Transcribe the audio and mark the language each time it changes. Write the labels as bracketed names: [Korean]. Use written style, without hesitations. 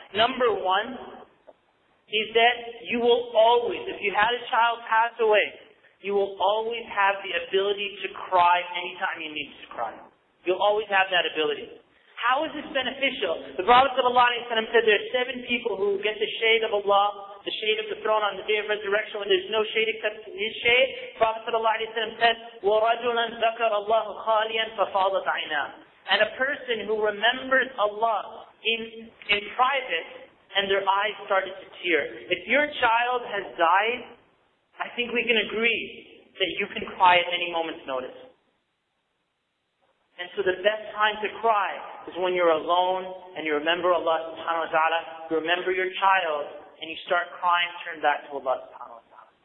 [English] Number one is that you will always, if you had a child pass away, you will always have the ability to cry anytime you need to cry. You'll always have that ability. How is this beneficial? The Prophet ﷺ said there are seven people who get the shade of Allah, the shade of the throne on the day of resurrection when there's no shade except His shade. Prophet ﷺ said, [Arabic] وَرَجُلًا ذَكَرَ اللَّهُ خَالِيًا فَفَاضَتْ عَيْنَاهُ. [English] And a person who remembers Allah in private, and their eyes started to tear. If your child has died, I think we can agree that you can cry at any moment's notice. And so the best time to cry is when you're alone and you remember Allah subhanahu wa ta'ala, you remember your child, and you start crying, turn back to Allah subhanahu wa ta'ala.